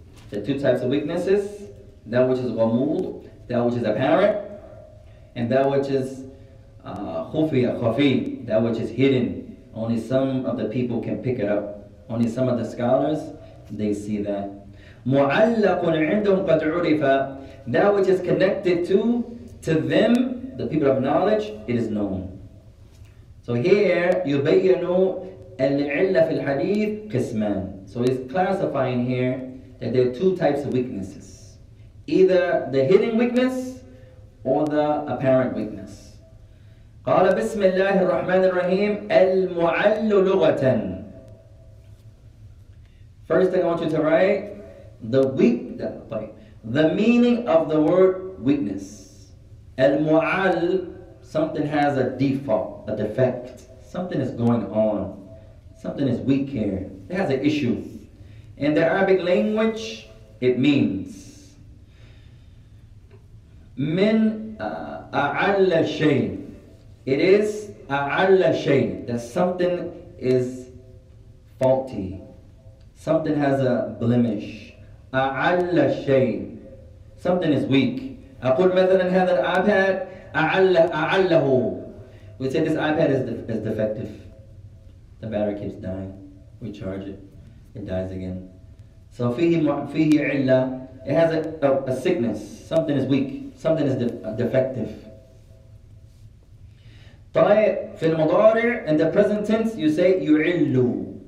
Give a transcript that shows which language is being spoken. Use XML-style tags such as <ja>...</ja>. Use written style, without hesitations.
<en>The two types of weaknesses, that which is غمود, that which is apparent, and that which is خفي, that which is hidden. Only some of the people can pick it up. Only some of the scholars, they see that.</en> <ar>مُعَلَّقٌ عِنْدُهُمْ قَدْ عُرِفَ.</ar> <en>That which is connected to them, the people of knowledge, it is known. So here,</en> <ar>يُبَيَّنُ الْعِلَّ فِي الْحَدِيثِ قِسْمًا.</ar> <en>So he's classifying here that there are two types of weaknesses. Either the hidden weakness or the apparent weakness.</en> <ar>قَالَ بِسْمِ اللَّهِ الرَّحْمَنِ الرَّحِيمِ الْمُعَلُّ لُغَةً.</ar> <en>First thing I want you to write, the meaning of the word weakness. Al-mu'al, something has a default, a defect. Something is going on. Something is weak here. It has an issue. In the Arabic language, it means</en> <ar>min a'alla shay.</ar> <en>It is</en> <ar>a'alla shay,</ar> <en>that something is faulty. Something has a blemish.</en> <ar>أعلى شيء.</ar> <en>Something is weak.</en> <ar>أقول مثلا هذا الآيباد أعلّه.</ar> <en>We say this iPad is defective. The battery keeps dying. We charge it. It dies again. So</en> <ar>فيه علة.</ar> <en>It has a sickness. Something is weak. Something is defective.</en> <ar>طيب في المضارع,</ar> <en>in the present tense, you say يعلّ.</en>